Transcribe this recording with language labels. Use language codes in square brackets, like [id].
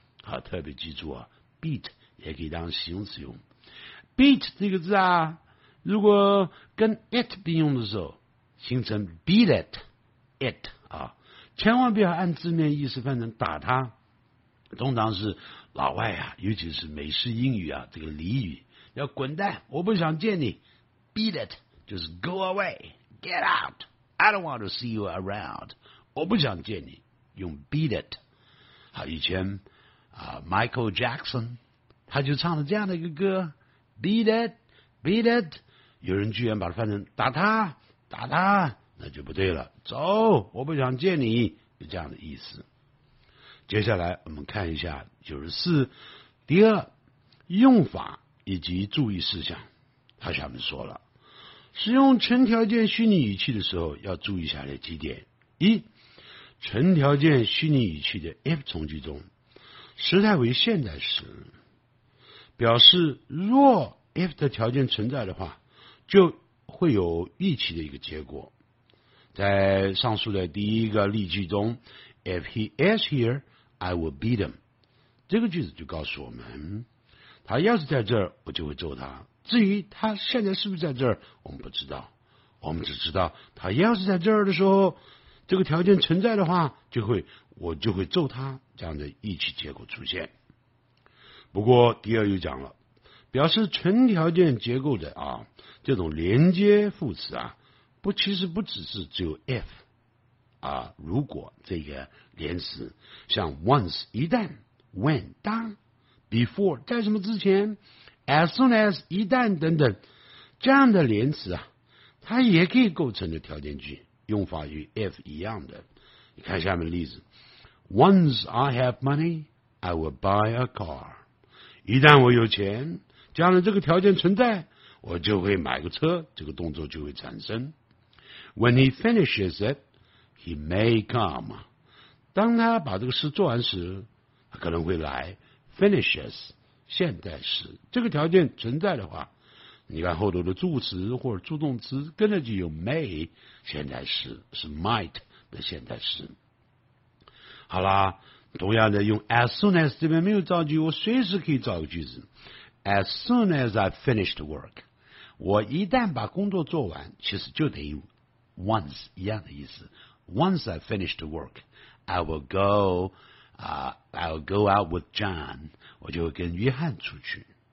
[zh] 好，特别记住啊， beat 也可以当形容词用， beat 这个字啊，如果跟 it 并用的时候形成 beat it， it 啊，千万不要按字面意思翻成打他。通常是老外啊，尤其是美式英语啊，这个俚语要滚蛋，我不想见你。 [en] beat it 就是 go away， get out， I don't want to see you around， [zh] 我不想见你， [en] 用 beat it。好，以前啊 ，Michael Jackson [zh] 他就唱了这样的一个歌 Beat it, beat it, 有人居然把他翻成打他打他，那就不对了，走，我不想见你，就这样的意思。接下来我们看一下94第二用法以及注意事项。他下面说了，使用纯条件虚拟语气的时候要注意下列几点。一，纯条件虚拟语气的 if 从句中，时态为现在时，表示若 if 的条件存在的话，就会有预期的一个结果。在上述的第一个例句中 [en] ，If he is here, I will beat him。 [zh] 这个句子就告诉我们，他要是在这儿，我就会揍他。至于他现在是不是在这儿，我们不知道。我们只知道他要是在这儿的时候，这个条件存在的话，我就会揍他，这样的预期结果出现。不过第二又讲了，表示纯条件结构的啊，这种连接副词啊，其实不只是只有 if 啊，如果这个连词，像 once 一旦 when 当 before 在什么之前 as soon as 一旦等等，这样的连词啊，它也可以构成的条件句，用法与 if 一样的。你看下面的例子 [en] ，Once I have money, I will buy a car。 [zh] 一旦我有钱，将来这个条件存在，我就会买个车，这个动作就会产生。 [en] When he finishes it, he may come。 [zh] 当他把这个事做完时，他可能会来。 Finishes 现在时，这个条件存在的话，你看后头的助词或者助动词跟着就有 may 现在时，是 might 的现在时。好啦，同样的用 as soon as 这边没有造句，我随时可以造个句子。 [en] As soon as I finished work, [zh] 我一旦把工作做完，其实就等于 once 一样的意思。 [en] Once I finished work, I will go out with John, [zh] 我就会跟约翰出去。